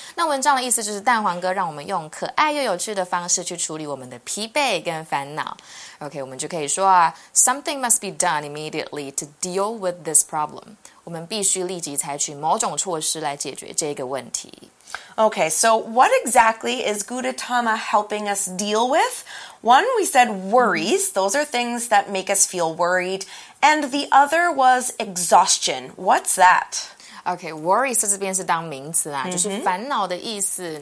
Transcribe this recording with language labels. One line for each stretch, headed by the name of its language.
Chinese: 那文章的意思就是蛋黄哥让我们用可爱又有趣的方式去处理我们的疲惫跟烦恼。
English: Okay,
Chinese: 我们就可以说啊
English: something must be done immediately to deal with this problem.
Chinese: 我们必须立即采取某种措施来解决这个问题。
English: Okay, so what exactly is Gudetama helping us deal with? One, we said worries. Those are things that make us feel worried. And the other was exhaustion. What's that?
Chinese: Okay, worries 在这边是当名词啦、mm-hmm. 就是烦恼的意思。